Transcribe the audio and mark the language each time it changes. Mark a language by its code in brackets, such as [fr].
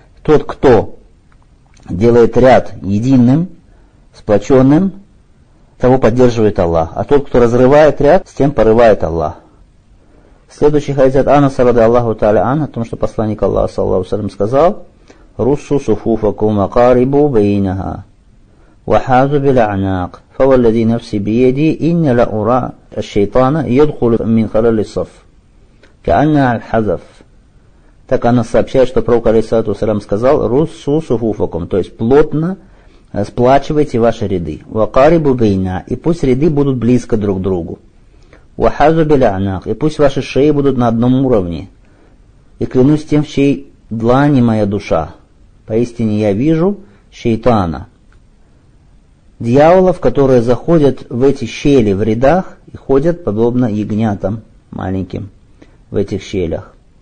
[ru] Тот, кто делает ряд единым, сплоченным, того поддерживает Аллах. А тот, кто разрывает ряд, с тем порывает Аллах. Следующий хадис от Анаса ради Аллаху тааля ан, о том, что посланник Аллаха, саллаллаху алейхи ва саллям, сказал: [ar] «Руссу суфуфакум акарибу бейнага». وحازوا بالأعناق فوالذي نفسي بيدي إن لأرى الشيطان يدخل من خلال الصف كأن الحذف. [ru] Так она сообщает, что пророк алейхиссалату вассалям сказал: [ar] руссу суфуфакум, [ru] то есть плотно сплачивайте ваши ряды. [ar] وقاربوا بينها, [ru] и пусть ряды будут близко друг к другу. [ar] وحازوا بالأعناق, [ru] и пусть ваши шеи будут на одном уровне. И клянусь тем, в чьей длани моя душа, поистине я вижу шейтана, дьяволов, которые заходят в эти щели в рядах и ходят подобно ягнятам маленьким в этих щелях.